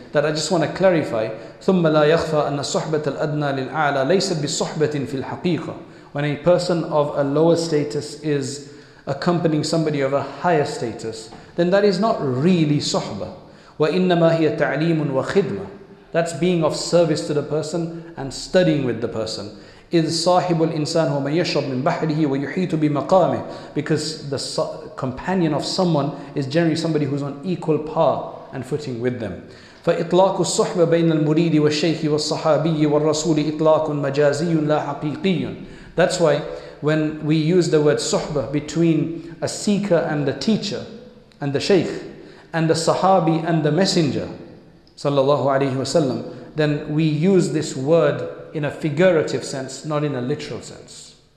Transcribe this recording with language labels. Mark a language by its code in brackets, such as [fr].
[en] That I just want to clarify. [ar] ثُمَّ لَا يَخْفَى أَنَّ صُحْبَةَ الْأَدْنَى لِلْأَعْلَى لَيْسَ بِصُحْبَةٍ فِي الْحَقِيقَةِ, [en] when a person of a lower status is accompanying somebody of a higher status, then that is not really صُحْبَة. [ar] وَإِنَّمَا هِيَ تَعْلِيمٌ وَخِدْمَةٌ, [en] That's being of service to the person and studying with the person. [ar] إِذْ صَاحِبُ الْإِنسَانُ وَمَنْ يَشْرَبْ مِنْ بَحْرِهِ وَيُحِيطُ بِمَقَامِهِ. [en] Because the companion of someone is generally somebody who's on equal par and footing with them. [ar] فإطلاق الصحبة بين المريد والشيخ والصحابي والرسول إطلاق مجازي لا حقيقي. [en] That's why when we use the word صحبة between a seeker and the teacher and the sheikh and the sahabi and the messenger صلى الله عليه وسلم, then we use this word in a figurative sense, not in a literal sense.